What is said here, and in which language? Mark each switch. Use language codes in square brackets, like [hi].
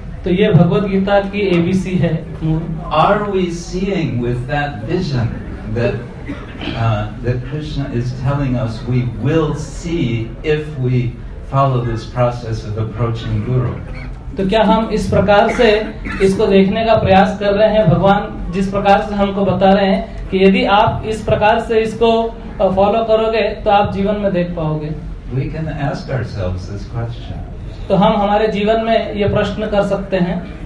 [hi] तो ये भगवत गीता की एबीसी है। [en] Are we seeing with that vision that that Krishna is telling us we will see if we follow this process of approaching Guru? [hi] तो क्या हम इस प्रकार से इसको देखने का प्रयास कर रहे हैं, भगवान जिस प्रकार से हमको बता रहे हैं कि यदि आप इस प्रकार से इसको फॉलो करोगे तो आप जीवन में देख पाओगे? [en] We can ask ourselves this question. [hi] तो हम हमारे जीवन में ये प्रश्न कर सकते हैं।